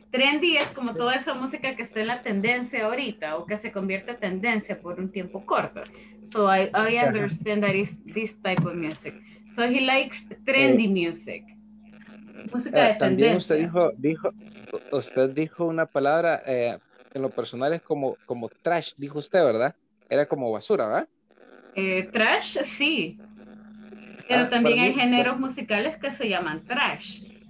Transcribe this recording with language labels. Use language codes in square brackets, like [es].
[es] Trendy es como toda esa música que está en la tendencia ahorita o que se convierte en tendencia por un tiempo corto. [en] So I understand that is this type of music. So he likes trendy music. [es] Música de tendencia. También usted dijo una palabra en lo personal es como trash, dijo usted, ¿verdad? Era como basura, ¿verdad? Trash, sí. Pero también hay géneros musicales que se llaman trash.